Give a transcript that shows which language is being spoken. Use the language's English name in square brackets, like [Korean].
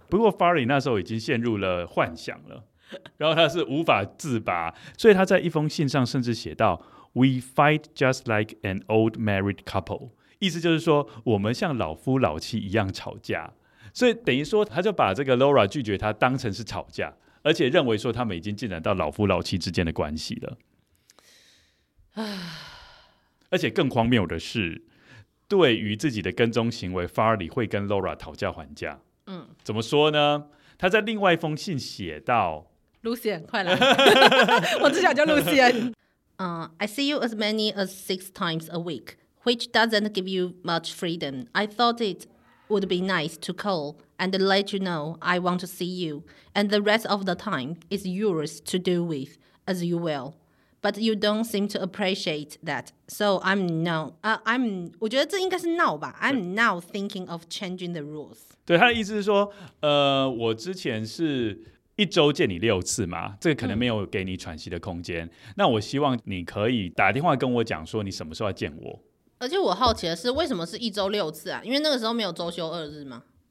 [Chinese] 不过 Fairly 那时候已经陷入了幻想了，然后他是无法自拔，所以他在一封信上甚至写到 [English] We fight just like an old married couple， [Chinese] 意思就是说我们像老夫老妻一样吵架，所以等于说他就把这个 Laura 拒绝他当成是吵架，而且认为说他们已经进展到老夫老妻之间的关系了。而且更荒谬的是，对于自己的跟踪行为 Fairly 会跟 Laura 讨价还价，嗯，怎么说呢？他在另外一封信写到 [English] Lucien [Chinese] 快来我只想叫 [English] Lucien I see you as many as 6 times a week, which doesn't give you much freedom. I thought it would be nice to call and let you know I want to see you, and the rest of the time is yours to do with as you will, but you don't seem to appreciate that, so I'm now I'm [Chinese] 我觉得这应该是 [English] now 吧， I'm now thinking of changing the rules。 [Chinese] 对，他的意思是说，我之前是一周见你六次嘛，这个可能没有给你喘息的空间，嗯，那我希望你可以打电话跟我讲说你什么时候要见我。而且我好奇的是为什么是一周六次啊？因为那个时候没有周休二日吗？